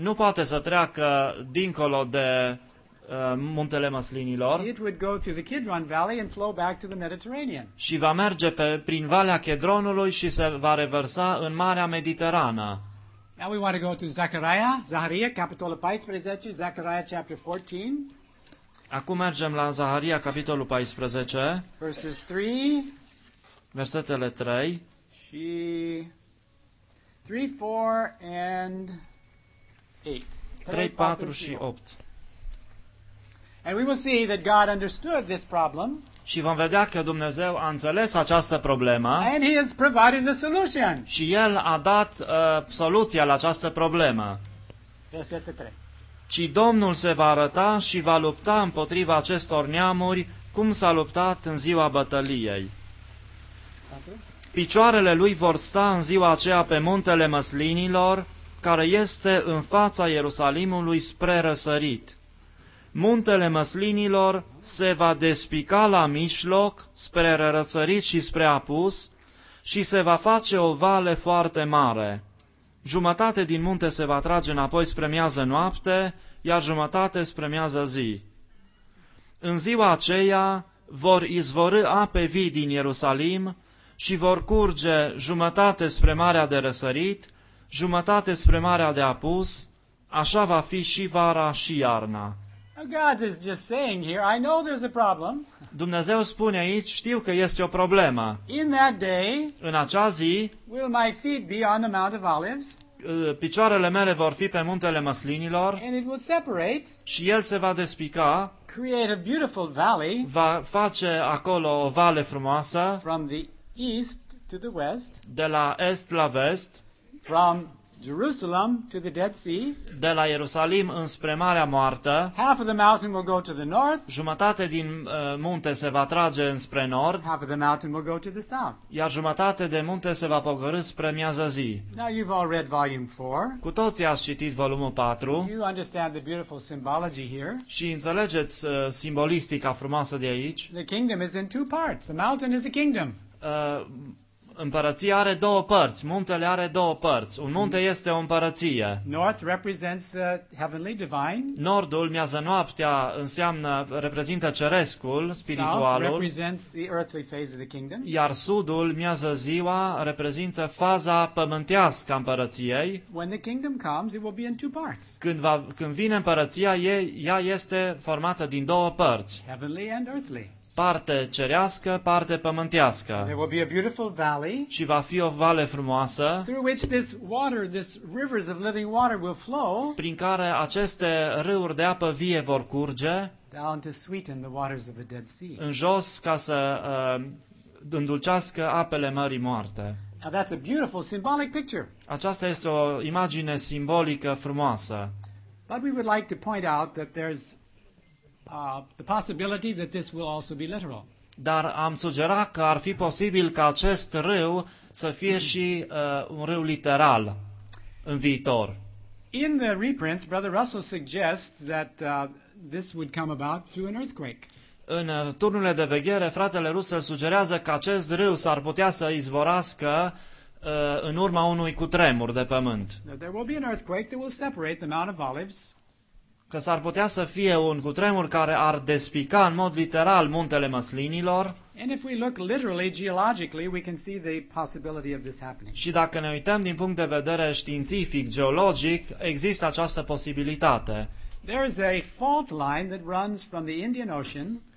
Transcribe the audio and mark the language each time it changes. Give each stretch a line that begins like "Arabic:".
Romanian: Nu poate să treacă dincolo de muntele măslinilor.
English: It would go through the Kidron Valley and flow back to the Mediterranean.
Romanian: Și va merge prin valea Chedronului și se va revărsa în Marea Mediterană.
English: Now we want to go to
Romanian: Zaharia, capitolul 14,
English: Zechariah chapter 14.
Romanian: Acum mergem la Zaharia, capitolul 14,
English: verses 3,
Romanian: versetele 3
English: și 3, 4 and 8.
Romanian: 3, 4 și 8.
English: And we will see that God understood this problem.
Romanian: Și vom vedea că Dumnezeu a înțeles această problemă.
English: And he has provided the solution.
Romanian: Și El a dat soluția la această problemă. Versetele 3. Ci Domnul se va arăta și va lupta împotriva acestor neamuri, cum s-a luptat în ziua bătăliei. Picioarele lui vor sta în ziua aceea pe muntele măslinilor, care este în fața Ierusalimului spre răsărit. Muntele măslinilor se va despica la mijloc, spre răsărit și spre apus, și se va face o vale foarte mare. Jumătate din munte se va trage înapoi spre miază noapte, iar jumătate spre miază zi. În ziua aceea vor izvorâ ape vii din Ierusalim și vor curge jumătate spre marea de răsărit, jumătate spre marea de apus, așa va fi și vara și iarna.
English: God is just saying here, I know there's a problem.
Romanian: Dumnezeu spune aici, știu că este o problemă.
English: In that day,
Romanian: în acea zi,
English: will my feet be on the Mount of Olives?
Romanian: Picioarele mele vor fi pe muntele măslinilor.
English: And it will separate.
Romanian: Și el se va despica.
English: Create a beautiful valley.
Romanian: Va face acolo o vale frumoasă.
English: From the east to the west.
Romanian: De la est la vest.
English: From Jerusalem to the Dead Sea.
Romanian: De la Ierusalim înspre Marea Moartă.
English: Half of the mountain will go to the north.
Romanian: Jumătate din munte se va trage înspre nord.
English: Half of the mountain will go to the south.
Romanian: Iar jumătate de munte se va pogorî spre miază zi.
English: Now you've all read volume 4.
Romanian: Cu toții ați citit volumul 4.
English: You understand the beautiful symbology here.
Romanian: Și înțelegeți simbolistica frumoasă de aici.
English: The kingdom is in two parts. The mountain is the kingdom.
Romanian: Împărăția are două părți, muntele are două părți. Un munte este o împărăție.
English: North represents the heavenly divine.
Romanian: Nordul, miază noaptea, reprezintă cerescul, spiritualul.
English: South represents the earthly phase of the kingdom.
Romanian: Iar sudul, miază ziua, reprezintă faza pământească a împărăției.
English: When the kingdom comes, it will be in two parts.
Romanian: Când vine împărăția, ea este formată din două părți.
English: Heavenly and earthly.
Romanian: Parte cerească, parte pământească.
English: There will be a beautiful valley.
Romanian: Și va fi o vale frumoasă.
English: Through which this water, this rivers of living water will flow.
Romanian: Prin care aceste râuri de apă vie vor curge.
English: Down to sweeten the waters of the Dead Sea.
Romanian: În jos ca să îndulcească apele Mării Moarte.
English: Now that's a beautiful symbolic picture.
Romanian: Aceasta este o imagine simbolică frumoasă.
English: But we would like to point out that there's the possibility that this will also be literal.
Romanian: Dar am sugerat că ar fi posibil ca acest râu să fie și un râu literal în viitor.
English: In the reprints, Brother Russell suggests that this would come about through an earthquake.
Romanian: În turnurile de veghere, fratele Russell sugerează că acest râu s-ar putea să izvorască în urma unui cutremur de pământ.
English: There will be an earthquake that will separate the Mount of Olives.
Romanian: Că s-ar putea să fie un cutremur care ar despica în mod literal muntele măslinilor.
English: And if we look literally, geologically, we can see the possibility of this happening.
Romanian: Și dacă ne uităm din punct de vedere științific, geologic, există această posibilitate.
English: There is a fault line that runs from the Indian Ocean.